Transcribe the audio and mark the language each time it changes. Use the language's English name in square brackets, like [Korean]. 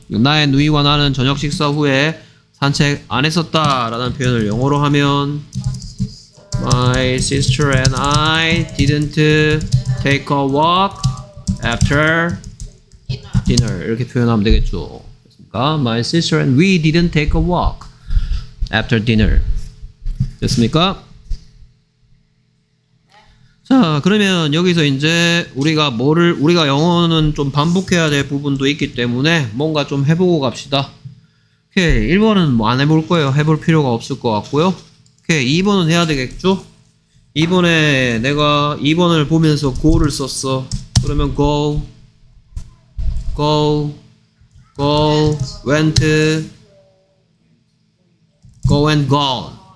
[Korean] 나의 누이와 나는 저녁 식사 후에 산책 안 했었다 라는 표현을 영어로 하면 [English] My sister and I didn't take a walk after dinner. [Korean] 이렇게 표현하면 되겠죠. 됐습니까? [English] My sister and we didn't take a walk after dinner. [Korean] 됐습니까? 자, 그러면 여기서 이제 우리가 뭐를, 우리가 영어는 좀 반복해야 될 부분도 있기 때문에 뭔가 좀 해보고 갑시다. 오케이, 1번은 뭐 안 해볼 거예요. 해볼 필요가 없을 것 같고요. 오케이, 2번은 해야 되겠죠? 2번에 내가 2번을 보면서 go를 썼어. 그러면 [English] go, go, go, went, go and gone.